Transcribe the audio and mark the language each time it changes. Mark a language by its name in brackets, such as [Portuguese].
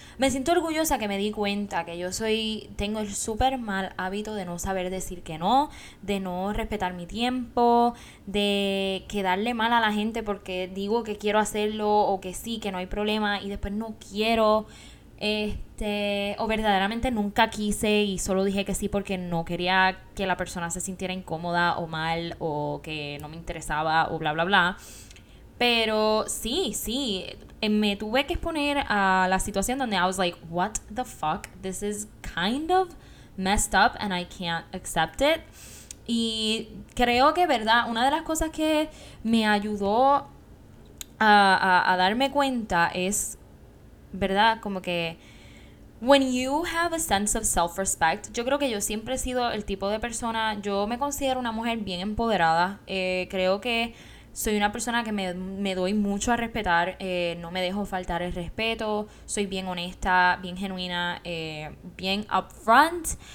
[Spanish] Me siento orgullosa que me di cuenta que yo tengo el súper mal hábito de no saber decir que no, de no respetar mi tiempo, de quedarle mal a la gente porque digo que quiero hacerlo o que sí, que no hay problema y después no quiero. O verdaderamente nunca quise y solo dije que sí porque no quería que la persona se sintiera incómoda o mal o que no me interesaba o bla, bla, bla. Pero sí, me tuve que exponer a la situación donde [English] I was like, what the fuck, this is kind of messed up and I can't accept it. [Spanish] Y creo que, verdad, una de las cosas que me ayudó a darme cuenta es, verdad, como que [English] when you have a sense of self-respect, [Spanish] yo creo que yo siempre he sido el tipo de persona, yo me considero una mujer bien empoderada, creo que soy una persona que me doy mucho a respetar, no me dejo faltar el respeto, soy bien honesta, bien genuina, [English] bien upfront.